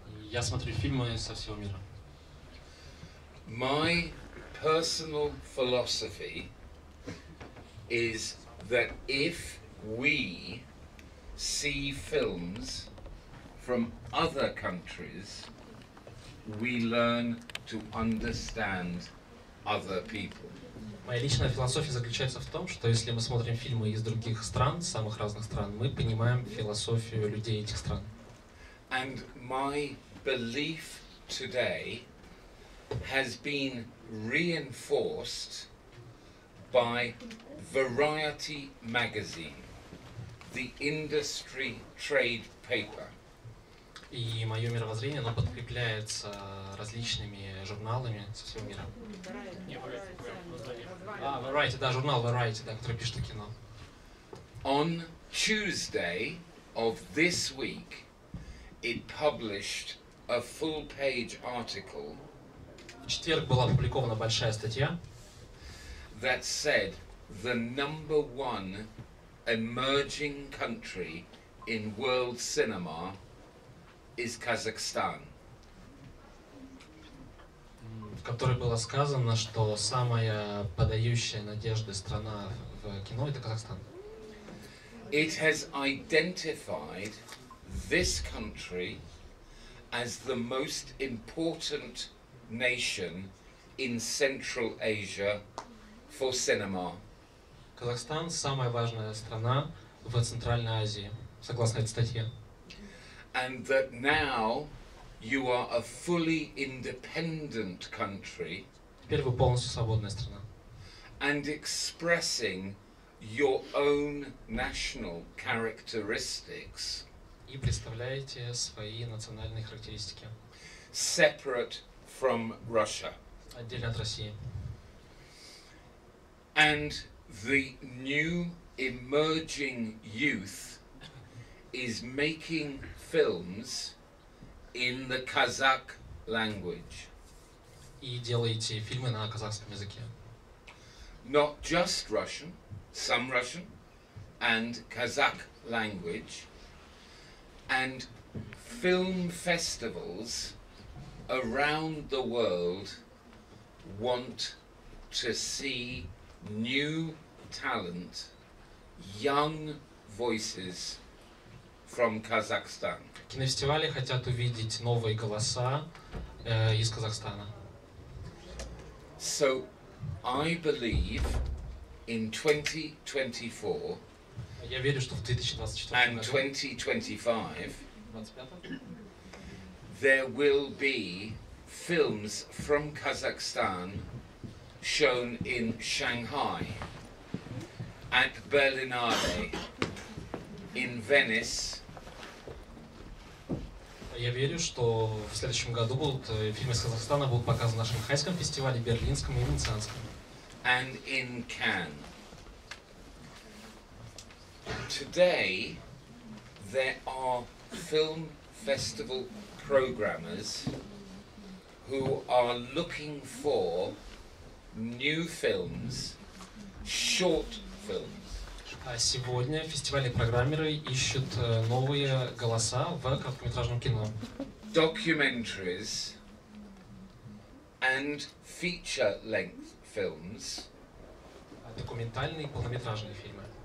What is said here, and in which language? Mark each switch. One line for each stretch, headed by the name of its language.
Russian: Я смотрю фильмы со всего мира.
English: My personal philosophy is that if we see films from other countries, we learn to understand other people.
Russian: Моя личная философия заключается в том, что если мы смотрим фильмы из других стран, самых разных стран, мы понимаем философию людей этих стран.
English: And my belief today has been reinforced by Variety magazine, the industry trade paper.
Russian: И мое мировоззрение, оно подкрепляется различными журналами со всего мира. Variety, да, журнал Variety, да, который пишет о кино.
English: On Tuesday of this week, it published a full-page article.
Russian: В четверг была опубликована большая статья.
English: That said, the number one emerging country in world cinema is Kazakhstan.
Russian: В которой было сказано, что самая подающая надежды страна в кино — это Казахстан.
English: It has identified this country as the most important nation in Central Asia for cinema.
Russian: Казахстан — самая важная страна в Центральной Азии, согласно этой статье.
English: And that now you are a fully independent country.
Russian: Теперь вы полностью свободная страна.
English: And expressing your own national characteristics.
Russian: И представляете свои национальные характеристики.
English: Separate from Russia.
Russian: Отдельно от России.
English: And the new emerging youth is making films in the Kazakh language.
Russian: И делаете фильмы на казахском языке.
English: Not just Russian, some Russian and Kazakh language, and film festivals around the world want to see new talent, young voices from Kazakhstan.
Russian: Кинофестивали хотят увидеть новые голоса из Казахстана.
English: So I believe in 2024.
Russian: Я верю, что в 2024 году.
English: And 2025. There will be films from Kazakhstan shown in Shanghai, at Berlinale, in Venice.
Russian: Я верю, что в следующем году будут фильмы из Казахстана будут показаны на Шанхайском фестивале, Берлинском и Венецианском.
English: And in Cannes. Today there are film festival programmers who are looking for new films, short films.
Russian: А сегодня фестивальные программеры ищут новые голоса в короткометражном кино.
English: Documentaries and feature-length films.
Russian: Документальные и полнометражные фильмы.